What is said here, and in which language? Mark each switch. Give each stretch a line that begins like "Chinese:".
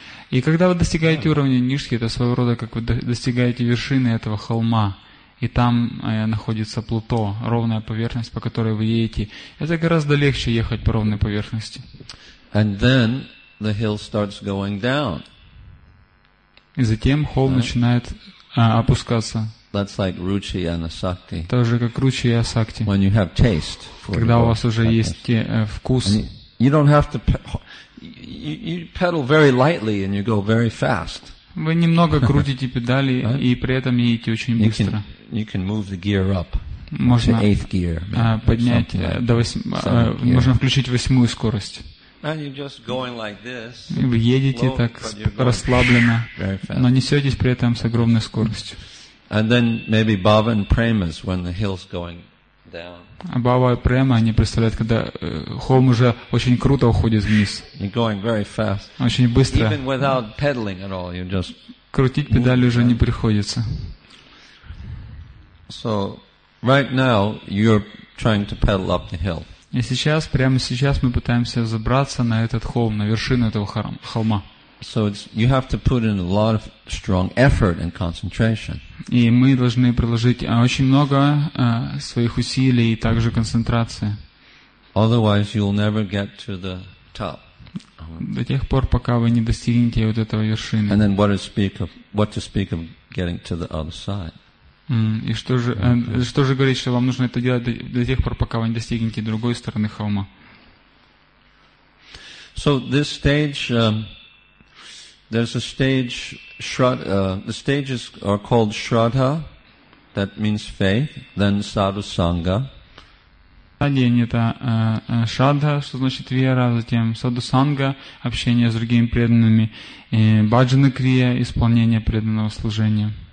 Russian: И когда вы достигаете уровня Ништхи, это своего рода как вы достигаете вершины этого холма, и там находится плато, ровная поверхность, по которой вы едете. Это гораздо легче ехать по ровной поверхности.
English: And then the hill starts going down.
Russian: И затем холм начинает опускаться.
English: That's like Ruchi Anasakti.
Russian: Тоже как Ручи и Асакти.
English: When you have taste for
Russian: когда у вас уже есть вкус.
English: You don't have to you pedal very lightly and you go very fast.
Russian: Вы немного крутите педали и при этом едете очень быстро.
English: You can move the gear up.
Russian: Можно
English: eighth gear.
Russian: Поднять до восьмой. Можно включить восьмую скорость.
English: And you're just going like this.
Russian: Вы едете так расслабленно, но несетесь при этом с огромной скоростью.
English: And then maybe Bhava and Prema is when the hill's going down.
Russian: А Бхава и Према, они представляют, когда холм уже очень круто уходит вниз.
English: You're going very fast.
Russian: Очень быстро.
English: Even without pedaling at all, you just
Russian: крутить педали уже не приходится.
English: So right now you're trying to pedal up the hill.
Russian: И сейчас, прямо сейчас мы пытаемся забраться на этот холм, на вершину этого холма.
English: So you have to put in a lot of strong effort and concentration.
Russian: И мы должны приложить очень много своих усилий и также концентрации.
English: Otherwise, you'll never get to the top.
Russian: До тех пор, пока вы не достигнете вот этого вершины.
English: And then what to speak of getting to the other side.
Russian: И что же говорить, что вам нужно это делать до тех пор, пока вы не достигнете другой стороны холма?
English: So this stage, there's a stage, the stages are called Shraddha, that means faith, then Sadhu Sangha.
Russian: Стадии это Shraddha, что значит вера, затем Sadhu Sangha, общение с другими преданными, Bhajana Kriya, исполнение преданного служения.